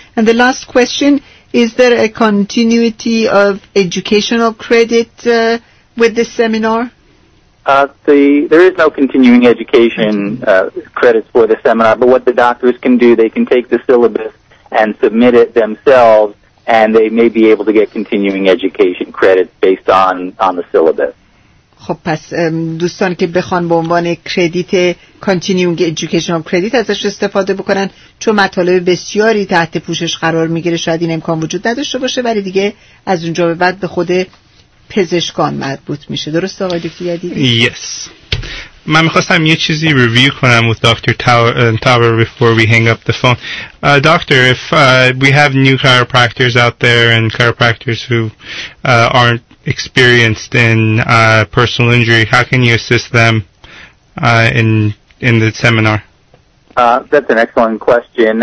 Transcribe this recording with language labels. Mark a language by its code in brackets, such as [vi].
[en] And the last question, is there a continuity of educational credit with this seminar? There is no continuing education credits for the seminar, but what the doctors can do, they can take the syllabus and submit it themselves, and they may be able to get continuing education credits based on the syllabus. [fa] خب پس دوستان که بخوان به عنوان کردیت کانتینیونگ ایژوکیشنال کردیت ازش استفاده بکنن، چون مطالب بسیاری تحت پوشش قرار میگیره شاید این امکان وجود نداشته باشه، ولی دیگه از اونجا به بعد به خود پزشکان مربوط میشه. درست آقای دکتر یدیدی؟ [en] Yes. [fa] من میخواستم یه چیزی ریویو کنم [en] with Dr. Tower before we hang up the phone. Doctor, if we have new chiropractors out there and chiropractors who aren't experienced in personal injury, how can you assist them in the seminar? That's an excellent question.